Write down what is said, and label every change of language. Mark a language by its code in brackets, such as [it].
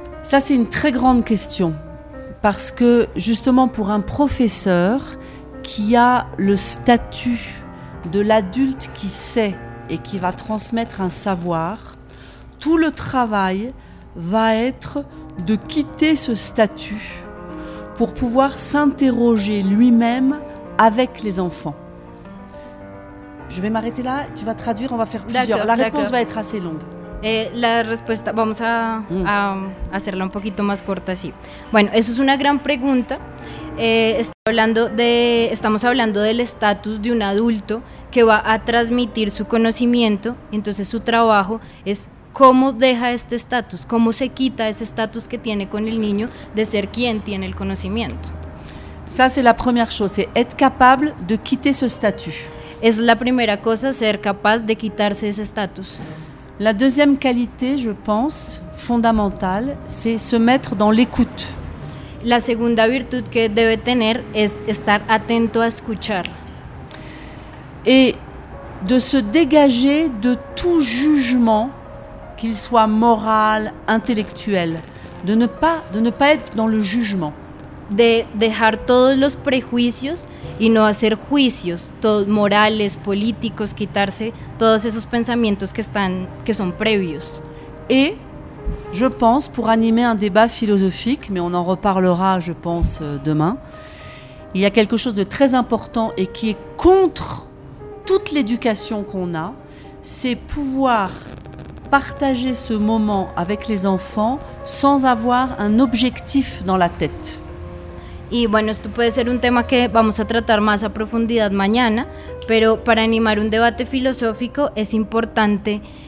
[fr] Ça, c'est une très grande question. Parce que justement pour un professeur qui a le statut de l'adulte qui sait et qui va transmettre un savoir, tout le travail va être de quitter ce statut pour pouvoir s'interroger lui-même avec les enfants. Je vais m'arrêter là, tu vas traduire, on va faire plusieurs. D'accord, la réponse va être assez longue. [es] La respuesta, vamos a hacerla un poquito más corta, sí. Bueno, eso es una gran pregunta. estamos hablando del estatus de un adulto que va a transmitir su conocimiento, entonces su trabajo es cómo deja este estatus, cómo se quita ese estatus que tiene con el niño de ser quien tiene el conocimiento. [fr] Ça c'est la première chose, c'est être capable de quitter ce statut. [es] Es la primera cosa ser capaz de quitarse ese estatus. [fr] La deuxième qualité, je pense, fondamentale, c'est se mettre dans l'écoute. [es] La segunda virtud que debe tener es estar atento a escuchar. [fr] Et de se dégager de tout jugement, qu'il soit moral, intellectuel, de ne pas être dans le jugement. [es] De dejar todos los prejuicios y no hacer juicios, todos morales, políticos, quitarse todos esos pensamientos que son previos. [fr] Et je pense, pour animer un débat philosophique, mais on en reparlera, je pense, demain, il y a quelque chose de très important et qui est contre toute l'éducation qu'on a, c'est pouvoir partager ce moment avec les enfants sans avoir un objectif dans la tête. [es] Y bueno, esto puede ser un tema que vamos a tratar más a profundidad mañana, pero para animar un debate filosófico es importante...